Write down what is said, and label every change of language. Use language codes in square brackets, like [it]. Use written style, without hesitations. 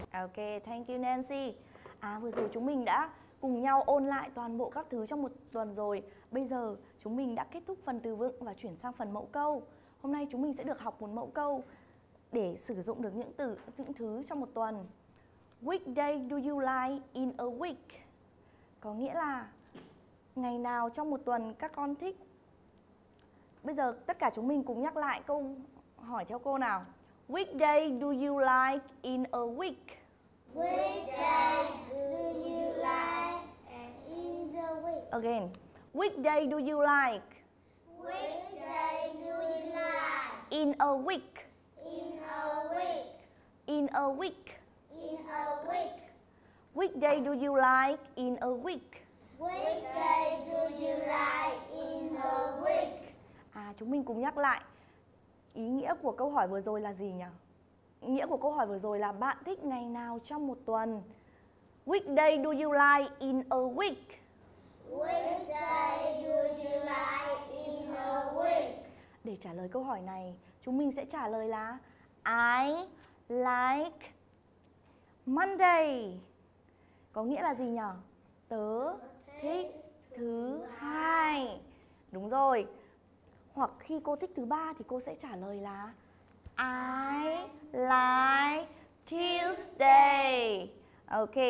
[en] Ok, thank you Nancy. [vi] À vừa rồi chúng mình đã cùng nhau ôn lại toàn bộ các thứ trong một tuần rồi. Bây giờ chúng mình đã kết thúc phần từ vựng và chuyển sang phần mẫu câu. Hôm nay chúng mình sẽ được học một mẫu câu để sử dụng được những từ, những thứ trong một tuần. [en] Which day do you like in a week? [vi] Có nghĩa là ngày nào trong một tuần các con thích. Bây giờ tất cả chúng mình cùng nhắc lại câu hỏi theo cô nào. [en] Which day do you like in a week? Which day do you like in the week? Again. Which day do you like? Which day do you like? In a week. In a week. In a week. In a week. Which day do you like in a week? Which day do you like in a week? [vi] À, chúng mình cùng nhắc lại ý nghĩa của câu hỏi vừa rồi là gì nhỉ? Nghĩa của câu hỏi vừa rồi là bạn thích ngày nào trong một tuần? [en] Which day do you like in a week? Which day do you like in a week? [vi] Để trả lời câu hỏi này, chúng mình sẽ trả lời là [en] I like Monday. [vi] Có nghĩa là gì nhỉ? Tớ thích thứ hai. Đúng rồi. Hoặc khi cô thích thứ ba thì cô sẽ trả lời là [en] I like Tuesday. Ok.